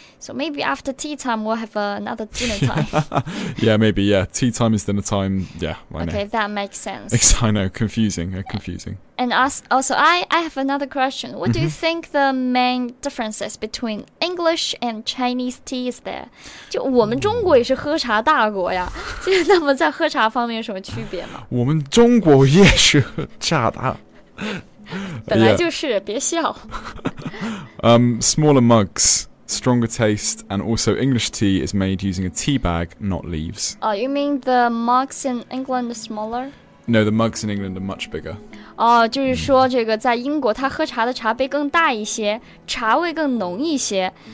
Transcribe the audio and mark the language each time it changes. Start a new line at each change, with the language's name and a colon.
English: So maybe after tea time, we'll have another dinner time. Yeah, maybe. Yeah, tea time is dinner time. Yeah, I know. Okay, that makes sense. I know. Confusing. Confusing. And also, I have another question. What do you think the main differences between English and Chinese tea is there?
Chinese: 就我们中国也是喝茶大国呀。就是那么在喝茶方面有什么区别吗？我们中国也是喝茶大。本来就是，别笑。
English: Smaller mugs. Stronger taste, and also English tea is made using a tea bag, not leaves. Oh, you mean the mugs in England are smaller? No, the mugs in England are much bigger.
Chinese: Oh, 就是说这个在英国他喝茶的茶杯更大一些，茶味更浓一些。